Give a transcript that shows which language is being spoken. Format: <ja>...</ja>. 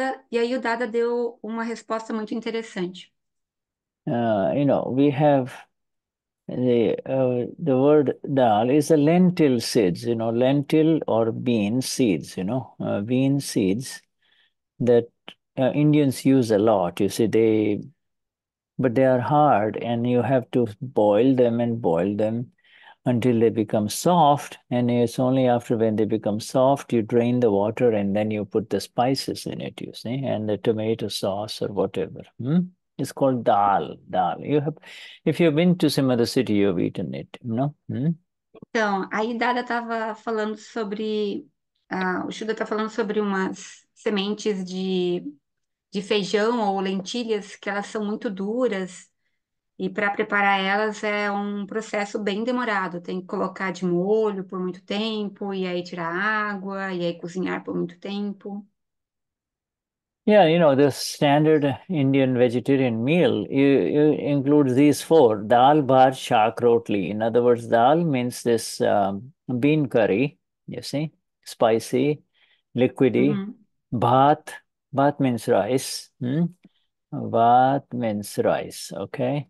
<pt>E aí o Dada deu uma resposta muito interessante.</pt> <en>We have the word dal is a lentil seeds, lentil or bean seeds, bean seeds that Indians use a lot. You see, but they are hard, and you have to boil them and boil them until they become soft. And it's only after when they become soft, you drain the water and then you put the spices in it, you see, and the tomato sauce or whatever. It's called dal. If you've been to some other city, you've eaten it, no?</en> <pt>Então, aí Dada estava falando sobre. O Shuda está falando sobre umas sementes de feijão ou lentilhas que elas são muito duras. E para preparar elas é um processo bem demorado. Tem que colocar de molho por muito tempo, e aí tirar água, e aí cozinhar por muito tempo.</pt> <en>The standard Indian vegetarian meal includes these four: dal, bhat, shak, rotli. In other words, dal means this bean curry, you see, spicy, liquidy. Bhat means rice. Bhat means rice, okay?</en>